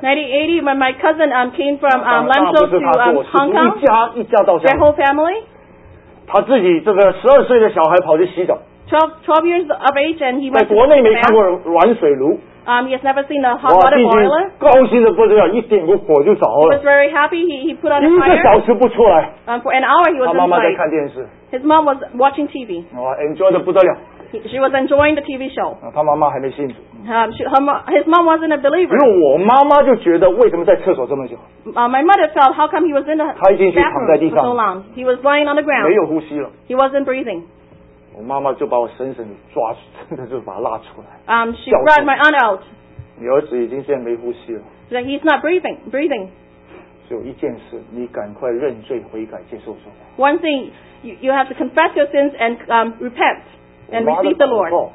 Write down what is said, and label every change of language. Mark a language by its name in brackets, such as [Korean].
[English] 1980, when my cousin came from Lanzhou to Hong Kong. [Chinese] 一家到香港。 [English] Their whole family. [Chinese] 他自己这个12岁的小孩跑去洗澡。 [English] 12 years of age and he went. [Chinese] 在国内没看过软水炉。 [English] He has never seen a hot water boiler. [Chinese] 高兴得不得了, 一点个火就着了。 [English] He was very happy. He put on a fire. [Chinese] 一个小时不出来, [English] for an hour, he was inside. His mom was watching TV. Enjoyed [Chinese] 得不得了。 [English] She was enjoying the TV show. [Chinese] 她妈妈还没信主。 [English] His mom wasn't a believer. [Chinese] 因为我妈妈就觉得为什么在厕所这么久。 [English] My mother felt how come he was in the bathroom for so long. He was lying on the ground. [Chinese] 没有呼吸了。 [English] He wasn't breathing. [Chinese] 我妈妈就把我婶婶抓，真的就把她拉出来。 [English] She brought my aunt out. [Chinese] 你儿子已经现在没呼吸了。 [English] That he's not breathing. Breathing. [Chinese] 只有一件事, 你赶快认罪悔改, 接受主。 [English] One thing, you have to confess your sins and repent. And receive the Lord.